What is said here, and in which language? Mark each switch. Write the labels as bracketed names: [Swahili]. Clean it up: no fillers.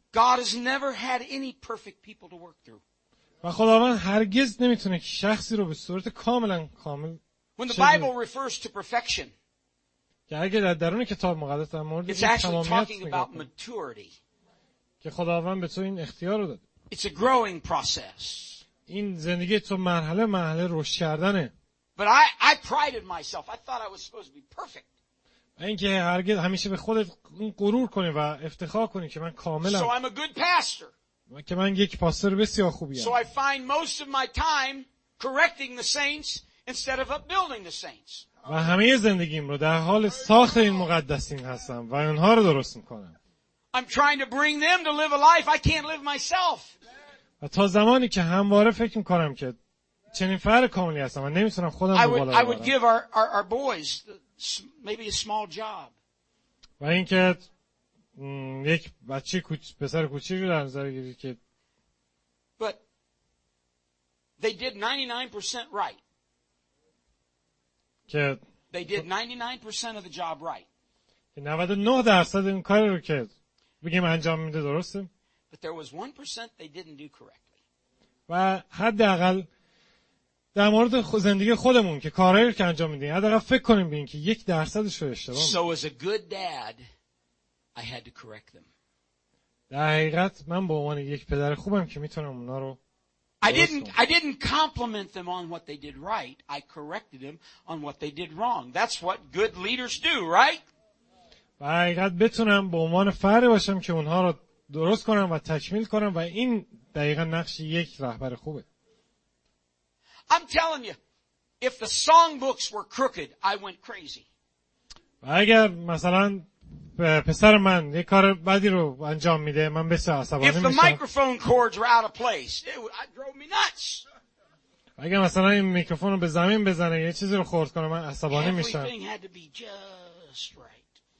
[English] God has never had any perfect people to work through. [Persian] و خداوند هرگز نمیتونه که شخصی رو به صورت کاملا کامل [English] When the Bible refers to perfection, [Persian] که اگه در درون کتاب مقدس در مورد تمامیت میگه که خداوند به تو این اختیار رو داده. [English] It's a growing process. [Persian] این زندگی تو مرحله رشد کردنه. [English] But I prided myself. I thought I was supposed to be perfect. [Persian] اینکه هرگز همیشه به خودت غرور کنی و افتخار کنی که من کاملم. [English] So I'm a good pastor. [Persian] که من یک پاستر بسیار خوبیم. [English] So I find most of my time correcting the saints instead of upbuilding the saints. [Persian] و همه زندگیم رو در حال ساخت این مقدسین هستم و اونها رو درست میکنم. [English] I'm trying to bring them to live a life I can't live myself. [Persian] و تا زمانی که همواره فکر میکنم که چنین فرد کاملی هستم و نمیتونم خودم رو بالا ببرم. [English] I would give our boys maybe a small job. [Persian] و اینکه یک بچه پسر کوچیک رو در نظر بگیرید که [English] but they did 99% right. They did 99% of the job right. [Persian] 99% این کار رو که بگیم انجام میده درسته. [English] But there was 1% they didn't do correctly. [Persian] و حداقل در مورد زندگی خودمون که کارهایی رو که انجام میدیم حداقل فکر کنیم ببینیم که 1% رو اشتباه میکنیم. [English] So as a good dad, I had to correct them. [Persian] در حقیقت من به عنوان یک پدر خوبم که میتونم اونا رو [English] I didn't compliment them on what they did right. I corrected them on what they did wrong. That's what good leaders do, right? [Persian] باید بتونم به عنوان فردی باشم که اونها رو درست کنم و تکمیل کنم و این دقیقاً نقش یک رهبر خوبه. [English] I'm telling you, if the songbooks were crooked, I went crazy. [Persian] اگر مثلا پسر من یه کار بدی رو انجام میده من بسیار عصبانی میشم. [English] If the microphone cords were out of place, it drove me nuts. [Persian] اگر مثلا این میکروفون رو به زمین بزنه یه چیزی رو خورد کنه من عصبانی میشم. [English] Everything had to be just right.